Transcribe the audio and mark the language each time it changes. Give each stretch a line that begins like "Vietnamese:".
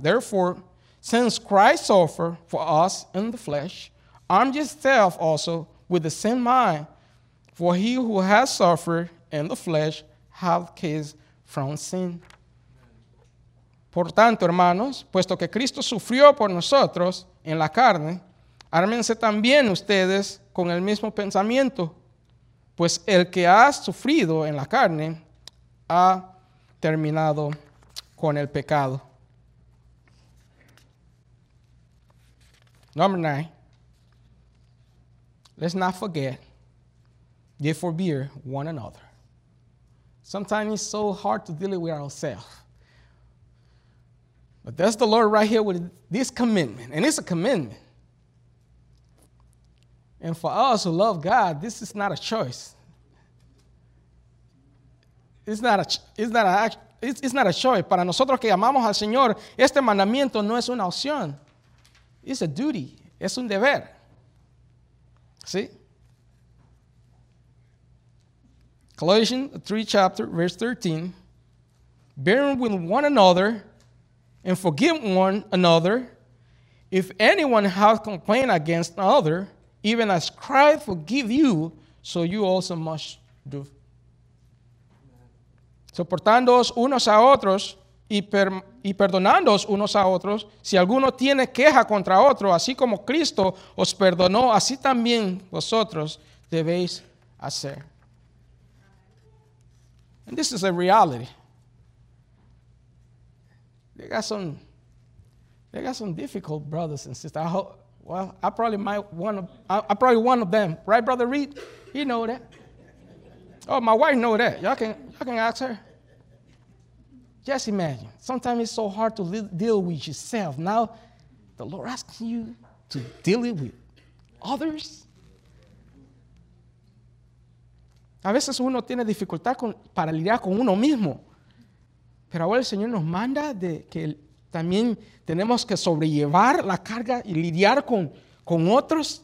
English: Therefore, since Christ suffered for us in the flesh, arm yourself also with the same mind, for he who has suffered in the flesh have case from sin.
Spanish: Por tanto, hermanos, puesto que Cristo sufrió por nosotros en la carne, ármense también ustedes con el mismo pensamiento, pues el que ha sufrido en la carne ha terminado con el pecado.
English: Number 9. Let's not forget, ye forbear one another. Sometimes it's so hard to deal with ourselves. But that's the Lord right here with this commitment. And it's a commitment. And for us who love God, this is not a choice. It's not a choice.
Spanish: Para nosotros que amamos al Señor, este mandamiento no es una opción.
English: It's a duty.
Spanish: Es un deber. ¿Sí?
English: Colossians 3, chapter, verse 13. Bearing with one another and forgive one another. If anyone has complained against another, even as Christ forgive you, so you also must do.
Spanish: Soportándoos unos a otros y perdonándoos unos a otros, si alguno tiene queja contra otro, así como Cristo os perdonó, así también vosotros debéis hacer.
English: And this is a reality. They got some difficult brothers and sisters. I probably one of them, right, Brother Reed? You know that. Oh, my wife know that. Y'all can ask her. Just imagine. Sometimes it's so hard to deal with yourself. Now, the Lord asks you to deal it with others.
Spanish: A veces uno tiene dificultad para lidiar con uno mismo. Pero ahora el Señor nos manda de que también tenemos que sobrellevar la carga y lidiar con otros.